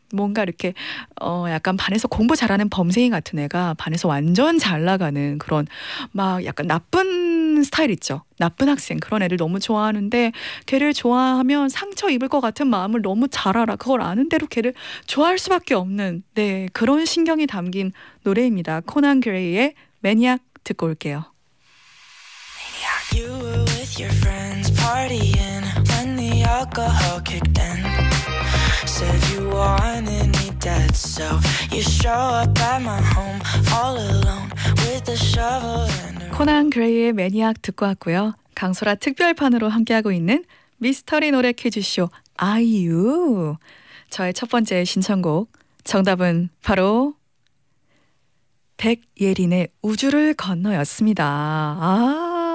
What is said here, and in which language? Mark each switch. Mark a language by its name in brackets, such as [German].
[Korean] 뭔가 이렇게 약간 반에서 공부 잘하는 범생이 같은 애가 반에서 완전 잘 나가는 그런 막 약간 나쁜 스타일 있죠. 나쁜 학생, 그런 애를 너무 좋아하는데 걔를 좋아하면 상처 입을 것 같은 마음을 너무 잘 알아. 그걸 아는 대로 걔를 좋아할 수밖에 없는, 네, 그런 신경이 담긴 노래입니다. 코난 그레이의 매니악 듣고 올게요. [English] Maniac, you were with your friends partying when the alcohol kicked in. Said you wanted me dead, so you show up at my home all alone with a shovel and a... [Korean] 코난 그레이의 매니악 듣고 왔고요. 강소라 특별판으로 함께하고 있는 미스터리 노래 퀴즈쇼 아이유. 저의 첫 번째 신청곡 정답은 바로 백예린의 우주를 건너였습니다.